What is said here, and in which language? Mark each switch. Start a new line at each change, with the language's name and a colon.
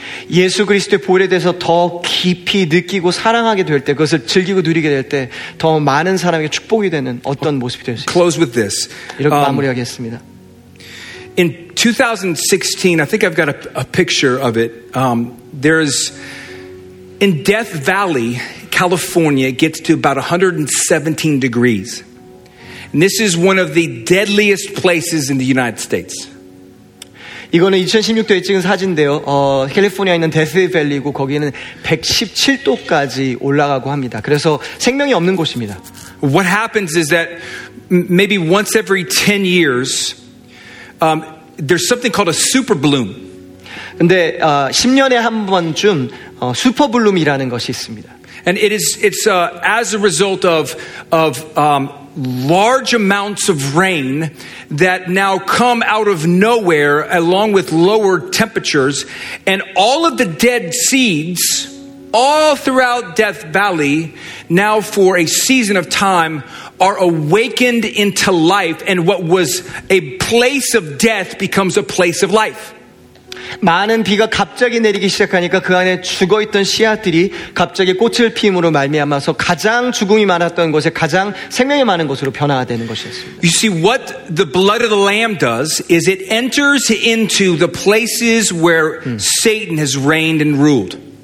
Korean: 예수 그리스도의 보혈에 대해서 더 깊이 느끼고 사랑하게 될 때, 그것을 즐기고 누리게 될 때, 더 많은 사람에게 축복이 되는 어떤 모습이 될 수 있을까요?
English: Close with this.
Korean: 이렇게 마무리하겠습니다.
English: In 2016, I think I've got a picture of it. There is in Death Valley, California, it gets to about 117 degrees. And this is one of the deadliest places in the United States.
Korean: 이거는 2016년에 찍은 사진인데요. 캘리포니아에 있는 데스밸리고 거기는 117도까지 올라가고 합니다. 그래서 생명이 없는 곳입니다.
English: What happens is that maybe once every 10 years there's something called a super bloom.
Korean: 근데 10년에 한 번쯤 슈퍼 블룸이라는 것이 있습니다.
English: And it's as a result of large amounts of rain that now come out of nowhere along with lower temperatures, and all of the dead seeds all throughout Death Valley now for a season of time are awakened into life, and what was a place of death becomes a place of life.
Korean: 많은 비가 갑자기 내리기 시작하니까 그 안에 죽어있던 씨앗들이 갑자기 꽃을 피임으로 말미암아서 가장 죽음이 많았던 곳에 가장 생명이 많은 곳으로 변화되는 것이었습니다.
English: You see, what the blood of the Lamb does is it enters into the places where Satan has reigned and ruled.